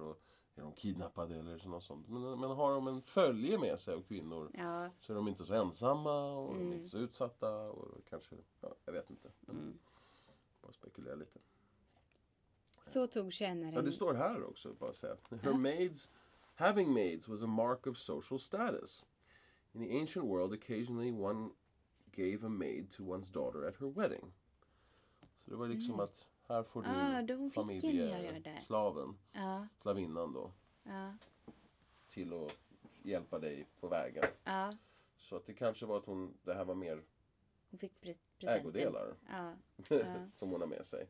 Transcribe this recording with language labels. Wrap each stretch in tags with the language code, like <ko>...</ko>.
<sv>Och är de kidnappade eller något sånt. Men har de en följe med sig av kvinnor så är de inte så ensamma och de är inte så utsatta. Och kanske, ja, jag vet inte. Bara spekulera lite. Så tog tjänaren. Ja, det står här också, bara att säga.</sv> <en>Her maids, having maids was a mark of social status. In the ancient world occasionally one gave a maid to one's daughter at her wedding.</en> <sv>Så det var liksom att här får du familjeslaven, slavinnan då, till att hjälpa dig på vägen. Ja. Så att det kanske var att hon, det här var mer, hon fick presenten. Ägodelar som hon har med sig.</sv>